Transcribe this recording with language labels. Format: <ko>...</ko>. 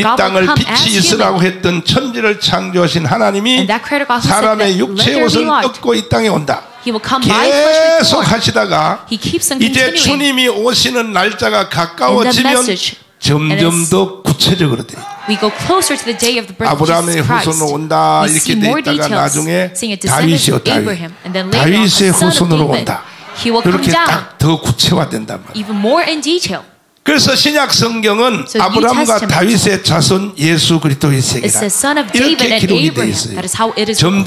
<ko>이 땅을 빛이 있으라고 했던 천지를 창조하신 하나님이 사람의 육체의 옷을 벗고 이 땅에 온다. 계속 하시다가 이제 주님이 오시는 날짜가 가까워지면 점점 더 구체적으로 돼.</ko> <en>We go closer to the day of the birth of Jesus</en> <ko>아브라함의 후손으로 온다 이렇게 돼 있다가 나중에 다윗이요 다윗의 후손으로 온다. 그렇게 딱 더 구체화된단 말이야.</ko> <en>Even more in detail.</en> <ko>그래서 신약 성경은 아브라함과 다윗의 자손 예수 그리스도의 세계라.</ko> <en>It's the son of David and Abraham. That is how it is recorded.</en>